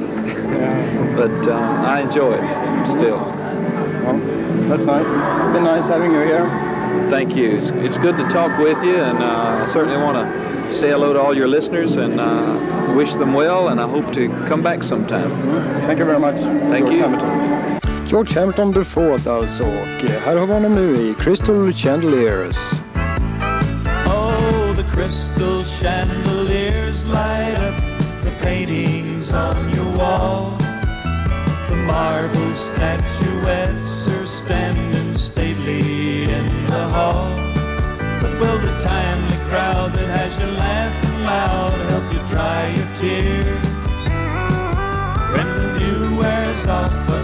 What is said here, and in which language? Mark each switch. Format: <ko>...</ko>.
<en>But I enjoy it still. Well, that's nice. It's been nice having you here. Thank you. It's good to talk with you, and I certainly want to say hello to all your listeners and wish them well, and I hope to come back sometime. Mm-hmm. Thank you very much. Thank you.</en> <sv>George Hampton the Fourth, alltså. Och här har vi honom nu i Crystal Chandeliers.</sv> <en>Oh, the crystal chandeliers light up the paintings on your wall. The marble statuettes are standing stately in the hall. But will the timely crowd that has you laughing loud help you dry your tears when the new wears off?</en>